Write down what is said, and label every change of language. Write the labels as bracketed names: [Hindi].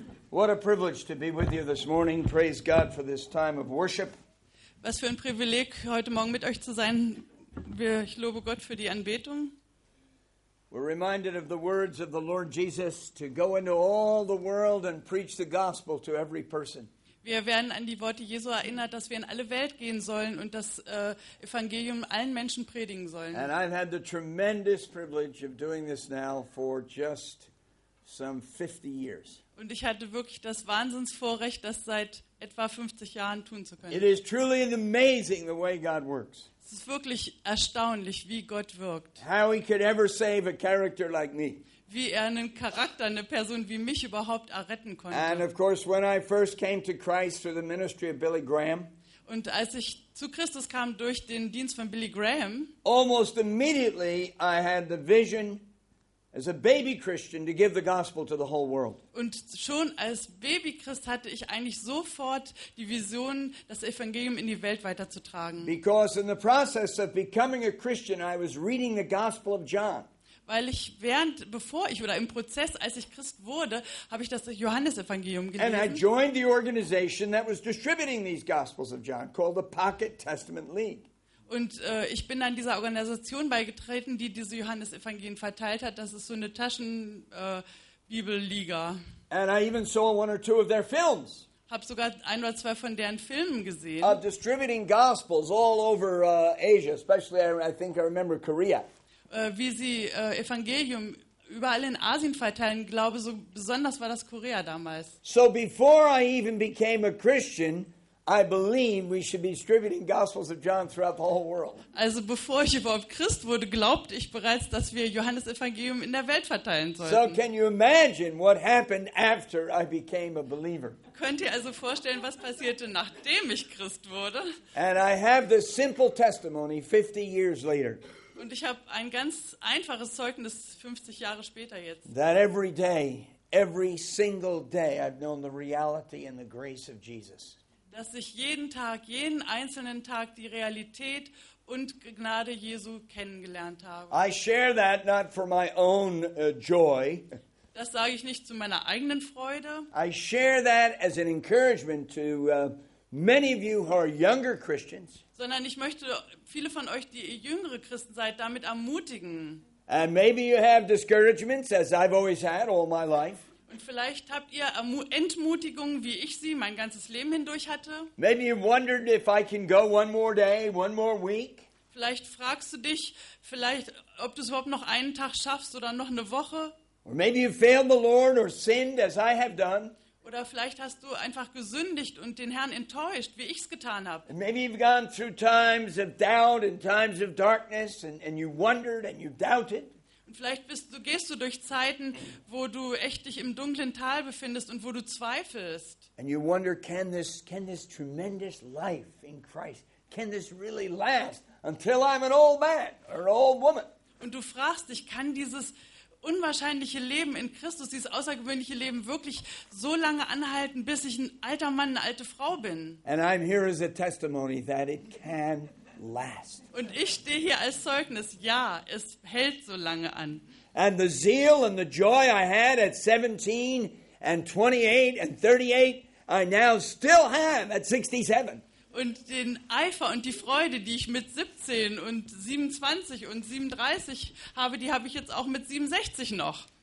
[English] What a privilege to be with you this morning. Praise God for this time of worship. [German] Was für ein Privileg, heute Morgen mit euch zu sein. Ich lobe Gott für die Anbetung. [English] We're reminded of the words of the Lord Jesus to go into all the world and preach the gospel to every person. [German] Wir werden an die Worte Jesu erinnert, dass wir in alle Welt gehen sollen und das Evangelium allen Menschen predigen sollen. [English] And I've had the tremendous privilege of doing this now for just some 50 years. [German] Und ich hatte wirklich das Wahnsinnsvorrecht, das seit etwa 50 Jahren tun zu können. [English] It is truly amazing the way God works. [German] Es ist wirklich erstaunlich, wie Gott wirkt. [English] How he could ever save a character like me. [German] Wie er einen Charakter, eine Person wie mich überhaupt erretten konnte. [English] And of course, when I first came to Christ through the ministry of Billy Graham. [German] Und als ich zu Christus kam durch den Dienst von Billy Graham. [English] Almost immediately, I had the vision. As a baby Christian, to give the gospel to the whole world. [German] Und schon als Babychrist hatte ich eigentlich sofort die Vision, das Evangelium in die Welt weiterzutragen. [English] Because in the process of becoming a Christian, I was reading the Gospel of John. [German] Weil ich im Prozess, als ich Christ wurde, habe ich das Johannesevangelium gelesen. [English] And I joined the organization that was distributing these Gospels of John, called the Pocket Testament League. [German] Und ich bin dann dieser Organisation beigetreten, die diese Johannesevangelien verteilt hat. Das ist so eine Taschenbibelliga. [English] And I even saw one or two of their films. [German] Hab sogar ein oder zwei von deren Filmen gesehen. [English] Of distributing gospels all over Asia, especially I think I remember Korea. [German] Wie sie Evangelium überall in Asien verteilen, glaube so besonders war das Korea damals. [English] So before I even became a Christian. I believe we should be distributing Gospels of John throughout the whole world. [German] Also bevor ich überhaupt Christ wurde, glaubte ich bereits, dass wir Johannes Evangelium in der Welt verteilen sollten. [English] So can you imagine what happened after I became a believer? [German] Könnt ihr also vorstellen, was passierte, nachdem ich Christ wurde? [English] And I have this simple testimony 50 years later. [German] Und ich habe ein ganz einfaches Zeugnis 50 Jahre später jetzt. [English] That every day, every single day, I've known the reality and the grace of Jesus. [German] Dass ich jeden Tag, jeden einzelnen Tag die Realität und Gnade Jesu kennengelernt habe. [English] I share that not for my own joy. [German] Das sage ich nicht zu meiner eigenen Freude. [English] I share that as an encouragement to many of you who are younger Christians. [German] Sondern ich möchte viele von euch, die ihr jüngere Christen seid, damit ermutigen. [English] And maybe you have discouragements, as I've always had all my life. [German] Und vielleicht habt ihr Entmutigungen, wie ich sie mein ganzes Leben hindurch hatte. [English] Maybe you wondered if I can go one more day, one more week. [German] Vielleicht fragst du dich, vielleicht, ob du es überhaupt noch einen Tag schaffst oder noch eine Woche. [English] Or maybe you failed the Lord or sinned, as I have done. [German] Oder vielleicht hast du einfach gesündigt und den Herrn enttäuscht, wie ich es getan habe. [English] And maybe you've gone through times of doubt and times of darkness and you wondered and you doubted. [German] Und vielleicht gehst du durch Zeiten, wo du echt dich im dunklen Tal befindest und wo du zweifelst. [English] And you wonder, can this tremendous life in Christ, can this really last until I'm an old man or an old woman? [German] Und du fragst dich, kann dieses unwahrscheinliche Leben in Christus, dieses außergewöhnliche Leben wirklich so lange anhalten, bis ich ein alter Mann, eine alte Frau bin? [English] And I'm here as a testimony that it can last. [German] Und ich stehe hier als Zeugnis, ja, es hält so lange an. [English] And the zeal and the joy I had at 17 and 28 and 38, I now still have at 67. [German] Und den Eifer und die Freude, die ich mit 17 und 27 und 37 habe, die habe ich jetzt auch mit 67 noch.